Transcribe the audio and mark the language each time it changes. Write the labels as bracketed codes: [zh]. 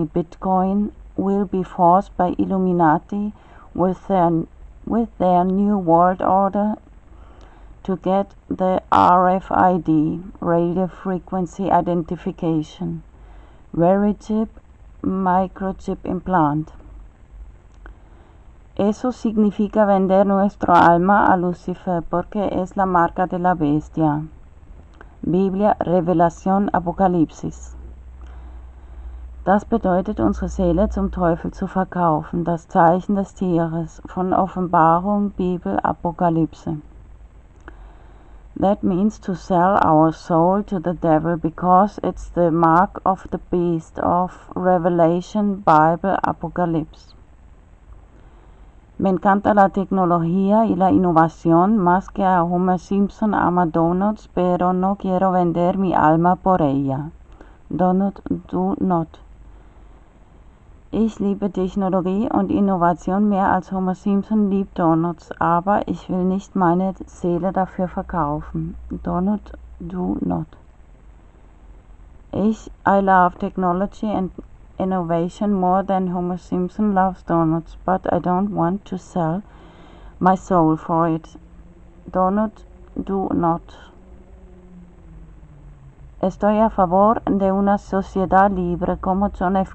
[en] Bitcoin, we'll be forced by Illuminati with their new world order to get the RFID, radio frequency identification, Verichip, microchip implant. [es] Eso significa vender nuestro alma a Lucifer porque es la marca de la bestia. Biblia, Revelación, Apocalipsis. [de] Das bedeutet, unsere Seele zum Teufel zu verkaufen, das Zeichen des Tieres, von Offenbarung, Bibel, Apokalypse. [en] That means to sell our soul to the devil, because it's the mark of the beast, of Revelation, Bible, Apocalypse. [es] Me encanta la tecnología y la innovación, más que a Homer Simpson ama donuts, pero no quiero vender mi alma por ella. [en] Donut, do not. [de] Ich liebe Technologie und Innovation mehr als Homer Simpson liebt Donuts, aber ich will nicht meine Seele dafür verkaufen. [en] Donut, do not. I love technology and innovation more than Homer Simpson loves Donuts, but I don't want to sell my soul for it. Donut, do not. [es] Estoy a favor de una sociedad libre como John F.